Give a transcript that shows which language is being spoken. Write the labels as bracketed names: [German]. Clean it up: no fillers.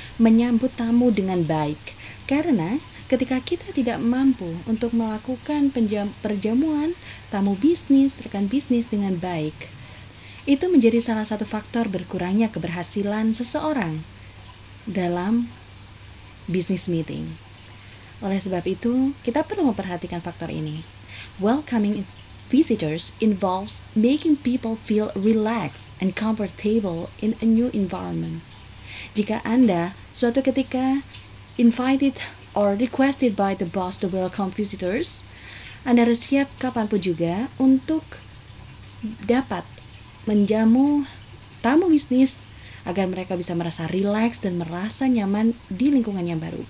[Indonesian] Menyambut tamu dengan baik. Karena ketika kita tidak mampu untuk melakukan perjamuan tamu bisnis, rekan bisnis dengan baik, itu menjadi salah satu faktor berkurangnya keberhasilan seseorang dalam business meeting. Oleh sebab itu, kita perlu memperhatikan faktor ini. [English] Welcoming visitors involves making people feel relaxed and comfortable in a new environment. [Indonesian] Jika Anda suatu ketika [English] invited or requested by the boss to welcome visitors, [Indonesian] Anda harus siap kapanpun juga untuk dapat menjamu tamu bisnis agar mereka bisa merasa relax dan merasa nyaman di lingkungan yang baru.